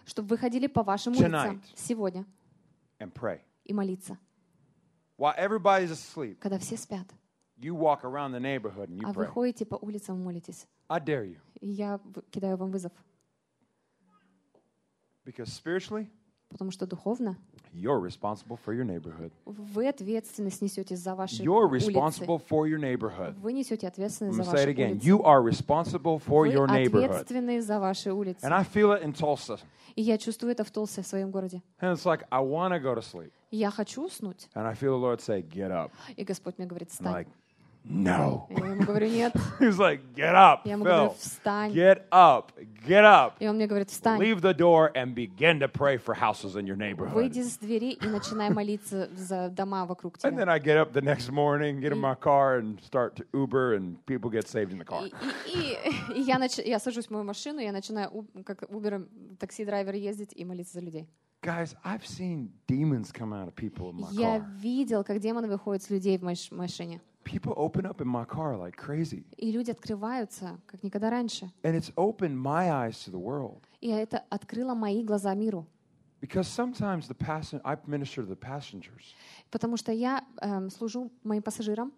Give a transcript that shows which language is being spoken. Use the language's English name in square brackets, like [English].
[Russian] Чтобы вы ходили по вашим улицам сегодня. [English] And pray. [Russian] И молиться. [English] While everybody's asleep. [Russian] Когда все спят. [English] You walk around the neighborhood and you pray. [Russian] А вы ходите по улицам и молитесь. [English] I dare you. [Russian] Я кидаю вам вызов. [English] Because spiritually, [Russian] потому что духовно, [English] you're responsible for your neighborhood. [Russian] Вы ответственность несете за ваши улицы. [English] You're responsible for your neighborhood. [Russian] Вы несете ответственность за ваши улицы. [English] Say it again. You are responsible for your neighborhood. [Russian] Вы ответственны за ваши улицы. [English] And I feel it in Tulsa. [Russian] И я чувствую это в Тулсе, в своем городе. [English] And it's like I want to go to sleep. [Russian] Я хочу уснуть. [English] And I feel the Lord say, "Get up." [Russian] И Господь мне говорит, встань. [English] Like, no. [Russian] Я ему говорю, нет. [English] He's like, get up, [Russian] я ему [English] Phil. [Russian] Говорю, встань. [English] Get up, get up. [Russian] И он мне говорит, встань. [English] Leave the door and begin to pray for houses in your neighborhood. [Russian] Выйди из двери и начинай молиться за дома вокруг тебя. [English] And then I get up the next morning, get in my car and start to Uber and people get saved in the car. [Russian] Я сажусь в мою машину, я начинаю как Uber, такси-драйвер ездить и молиться за людей. [English] Guys, I've seen demons come out of people in my car. [Russian] Я видел, как демоны выходят с людей в моей машине. [English] People open up in my car like crazy. [Russian] И люди открываются, как никогда раньше. [English] And it's opened my eyes to the world. [Russian] И это открыло мои глаза миру. [English] Because sometimes the I minister to the passengers. [Russian] Потому что я служу моим пассажирам.